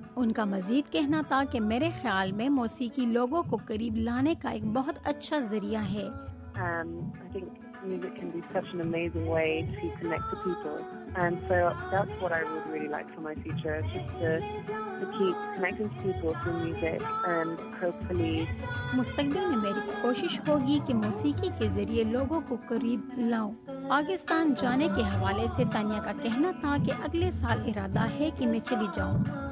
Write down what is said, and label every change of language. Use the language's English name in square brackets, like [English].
[Urdu] ان کا مزید کہنا تھا کہ میرے خیال میں موسیقی لوگوں کو قریب لانے کا ایک بہت اچھا ذریعہ ہے. [English] I think music can be such an amazing way to connect to people, and so that's what I would really like for my future, just to keep connecting to people through music, and hopefully [Urdu] مستقبل میں میری کوشش ہوگی کہ موسیقی کے ذریعے لوگوں کو قریب لاؤں. پاکستان جانے کے حوالے سے تانیہ کا کہنا تھا کہ اگلے سال ارادہ ہے کہ میں چلی جاؤں.